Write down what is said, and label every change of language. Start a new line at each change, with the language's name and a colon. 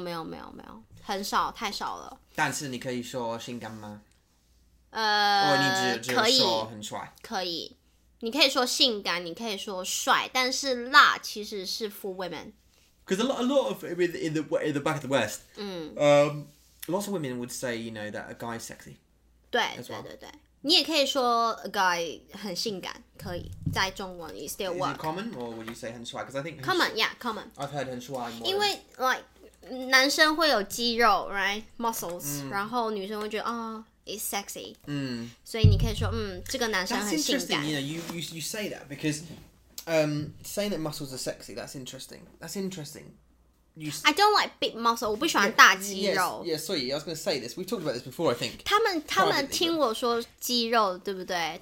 Chinese: 没有，很少，太少了。但是你可以说性感吗？你可以说性感，你可以说帅，但是辣其实是
English: for women. Because a lot of, in the back of the West, lots of women would say, you know, that a guy is sexy.
Chinese: 对，你也可以说
English: a guy
Chinese: 很性感，可以在中文
English: it still works. Is it common or would you say
Chinese: 很帅?
English: Because I think common. I've heard
Chinese: 很帅
English: more.
Chinese: 因为
English: like
Chinese: 男生会有肌肉
English: right muscles,
Chinese: 然后女生会觉得
English: oh, it's sexy.
Chinese: 所以你可以说 这个男生很性感。
English: That's interesting. You know, you say that because saying that muscles are sexy. That's interesting. I don't like big muscle,
Chinese: 我不喜欢大肌肉。
English: Yeah, sorry, I was going to say this. We've talked about this before, I think.
Chinese: 他们听我说肌肉, 对不对?